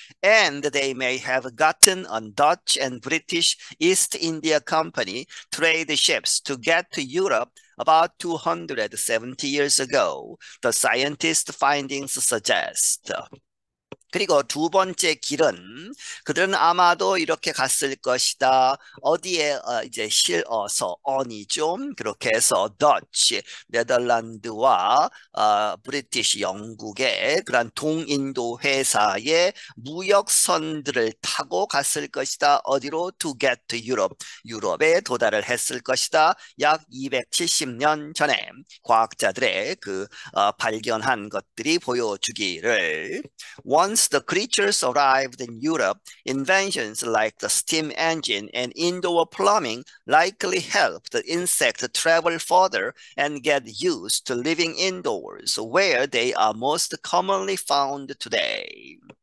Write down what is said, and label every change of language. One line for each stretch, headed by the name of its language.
English: And they may have gotten on Dutch and British East India Company trade ships to get to Europe about 270 years ago, the scientist findings suggest.
Korean: 그리고 두 번째 길은, 그들은 아마도 이렇게 갔을 것이다. 어디에 이제 실어서 언이죠. 그렇게 해서 더치, 네덜란드와 브리티시 영국의 그런 동인도 회사의 무역선들을 타고 갔을 것이다. 어디로?
English: To get to Europe.
Korean: 유럽에 도달을 했을 것이다. 약 270년 전에 과학자들의 그 발견한 것들이 보여주기를.
English: Once the Creatures arrived in Europe, inventions like the steam engine and indoor plumbing likely helped the insects travel further and get used to living indoors, where they are most commonly found today.